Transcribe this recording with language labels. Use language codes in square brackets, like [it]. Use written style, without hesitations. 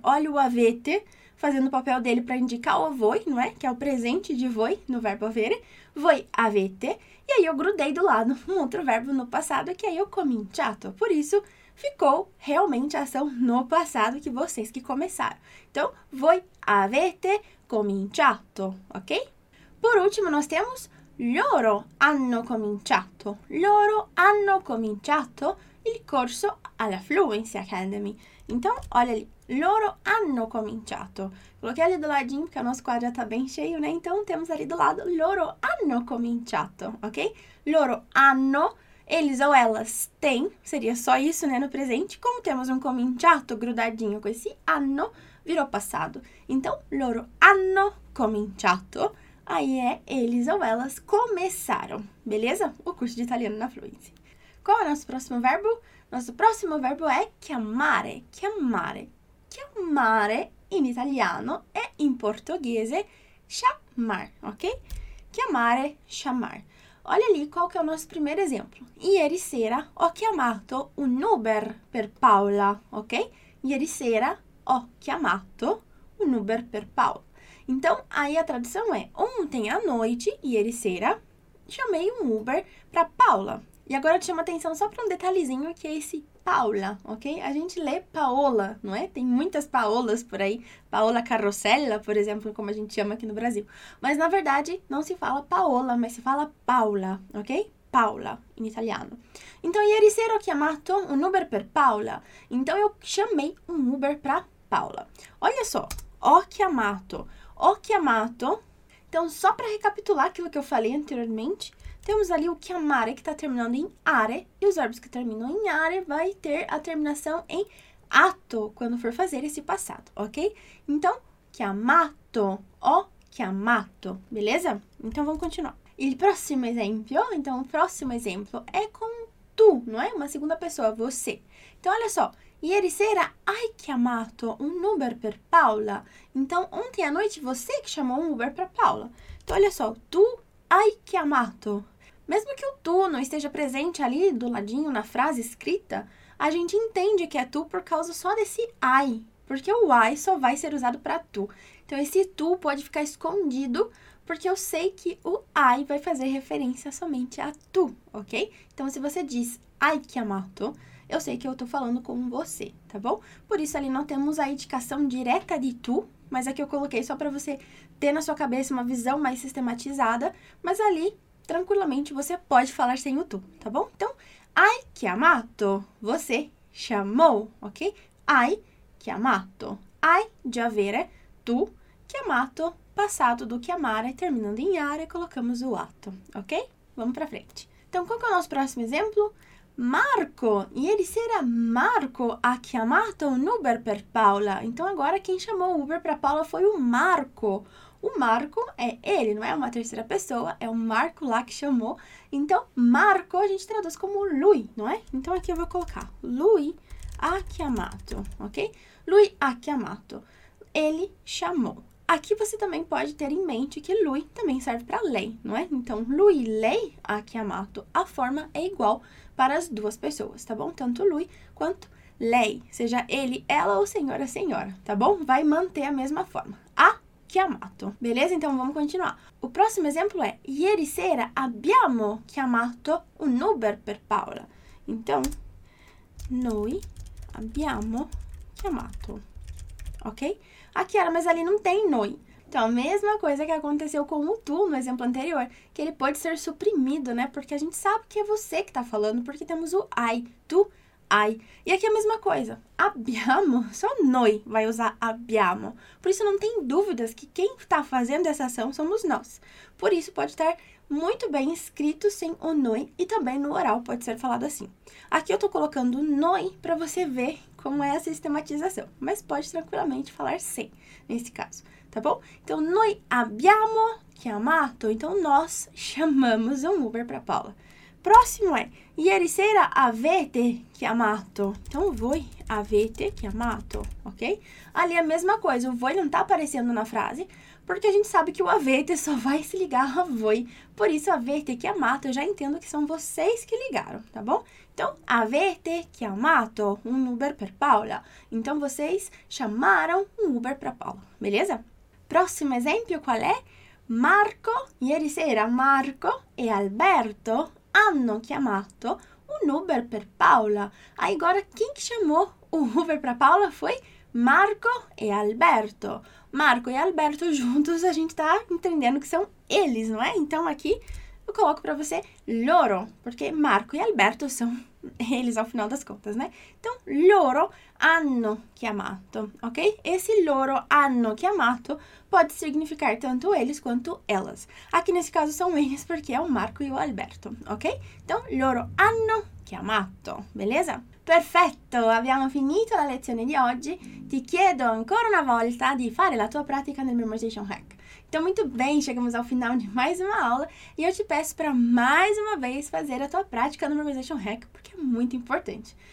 [pt] Olha o avete fazendo o papel dele para indicar o voi, não é? Que é o presente de voi no verbo avere. [it] Voi avete. [pt] E aí eu grudei do lado um outro verbo no passado, que aí eu cominciato. Por isso, ficou realmente a ação no passado, que vocês que começaram. [it] Então, voi avete cominciato, ok? [pt] Por último, nós temos [it] loro hanno cominciato. Loro hanno cominciato il corso alla Fluency Academy. [pt] Então, olha ali. [it] Loro hanno cominciato. [pt] Coloquei ali do ladinho, porque o nosso quadro já tá bem cheio, né? Então, temos ali do lado, [it] loro hanno cominciato, [pt] ok? [it] Loro hanno, [pt] eles ou elas têm, seria só isso, né, no presente. Como temos um cominciato grudadinho com esse hanno, virou passado. Então, [it] loro hanno cominciato, [pt] aí é eles ou elas começaram, beleza? O curso de italiano na Fluency. Qual é o nosso próximo verbo? Nosso próximo verbo é chiamare, chiamare. [it] Chiamare in italiano e in portoghese chamar, ok? [pt] Chiamare, chamar. Olha ali qual que é o nosso primeiro exemplo. [it] Ieri sera ho chiamato un Uber per Paola, ok? Ieri sera ho chiamato un Uber per Paola. [pt] Então, aí a tradução é: ontem à noite, [it] ieri sera, [pt] chamei um Uber para Paola. E agora eu te chamo atenção só para um detalhezinho que é esse Paola, ok? A gente lê Paola, não é? Tem muitas Paolas por aí. Paola Carrossella, por exemplo, como a gente chama aqui no Brasil. Mas, na verdade, não se fala Paola, mas se fala Paula, ok? Paula, em italiano. [it] Então, ieri sera ho chiamato un Uber per Paola. [pt] Então, eu chamei um Uber para Paola. Olha só, [it] ho chiamato. Ho chiamato. [pt] Então, só para recapitular aquilo que eu falei anteriormente, temos ali o chiamare, que está terminando em are, e os verbos que terminam em are vai ter a terminação em ato, quando for fazer esse passado, ok? [it] Então, chiamato, ho chiamato, beleza? [pt] Então, vamos continuar. E o próximo exemplo, então, o próximo exemplo é com tu, não é? Uma segunda pessoa, você. Então, olha só, [it] ieri sera hai chiamato un Uber per Paola. [pt] Então, ontem à noite, você que chamou um Uber para Paola. Então, olha só, [it] tu hai chiamato. [pt] Mesmo que o tu não esteja presente ali do ladinho na frase escrita, a gente entende que é tu por causa só desse ai, porque o ai só vai ser usado para tu. Então, esse tu pode ficar escondido, porque eu sei que o ai vai fazer referência somente a tu, ok? Então, se você diz [it] ai chiamato, [pt] eu sei que eu tô falando com você, tá bom? Por isso, ali não temos a indicação direta de tu, mas aqui eu coloquei só para você ter na sua cabeça uma visão mais sistematizada, mas ali, tranquilamente, você pode falar sem o tu, tá bom? Então, [it] ai chiamato, [pt] você chamou, ok? [it] Ai chiamato, [pt] ai de avere, [it] tu chiamato, [pt] passado do chiamare, terminando em are, colocamos o ato, ok? Vamos para frente. Então, qual que é o nosso próximo exemplo? [it] Marco, ieri sera Marco ha chiamato un Uber per Paola. [pt] Então, agora, quem chamou o Uber para Paola foi o Marco. O Marco é ele, não é uma terceira pessoa, é o Marco lá que chamou. Então, Marco a gente traduz como lui, não é? Então, aqui eu vou colocar [it] lui ha chiamato, [pt] ok? [it] Lui ha chiamato, [pt] ele chamou. Aqui você também pode ter em mente que lui também serve para lei, não é? Então, lui, lei, [it] ha chiamato, [pt] a forma é igual para as duas pessoas, tá bom? Tanto lui quanto lei, seja ele, ela ou senhora, senhora, tá bom? Vai manter a mesma forma, [it] ha chiamato. [pt] Beleza? Então, vamos continuar. O próximo exemplo é, [it] ieri sera abbiamo chiamato un Uber per Paola. Então, noi abbiamo chiamato. [pt] Ok? Aqui era, mas ali não tem noi. Então, a mesma coisa que aconteceu com o tu no exemplo anterior, que ele pode ser suprimido, né? Porque a gente sabe que é você que tá falando, porque temos o ai, tu, ai. E aqui a mesma coisa. Abbiamo, só noi vai usar abbiamo. Por isso, não tem dúvidas que quem tá fazendo essa ação somos nós. Por isso, pode estar muito bem escrito sem o noi e também no oral pode ser falado assim. Aqui eu tô colocando noi para você ver como é a sistematização, mas pode tranquilamente falar sim, nesse caso, tá bom? Então, [it] noi abbiamo chiamato, [pt] então nós chamamos um Uber para Paola. Próximo é, [it] ieri sera avete chiamato, então voi avete chiamato, ok? [pt] Ali a mesma coisa, o voi não tá aparecendo na frase, porque a gente sabe que o avete só vai se ligar a voi, por isso [it] avete chiamato, [pt] eu já entendo que são vocês que ligaram, tá bom? [it] Então, avete chiamato un Uber per Paola. [pt] Então, vocês chamaram um Uber para Paola, beleza? Próximo exemplo, qual é? [it] Marco, ieri sera Marco e Alberto hanno chiamato un Uber per Paola. [pt] Aí, agora, quem que chamou o Uber para Paola foi Marco e Alberto. Marco e Alberto juntos, a gente tá entendendo que são eles, não é? Então, aqui, eu coloco para você loro, porque Marco e Alberto são eles ao final das contas, né? [it] Então, loro hanno chiamato, ok? [pt] Esse [it] loro hanno chiamato [pt] pode significar tanto eles quanto elas. Aqui, nesse caso, são eles, porque é o Marco e o Alberto, ok? Então, [it] loro hanno [pt] chiamato, beleza? [it] Perfetto, abbiamo finito la lezione di oggi. Ti chiedo ancora una volta di fare la tua pratica nel Memorization Hack. [pt] Então, muito bem, chegamos ao final de mais uma aula e eu te peço para mais uma vez fazer a tua prática no Memorization Hack, porque é muito importante.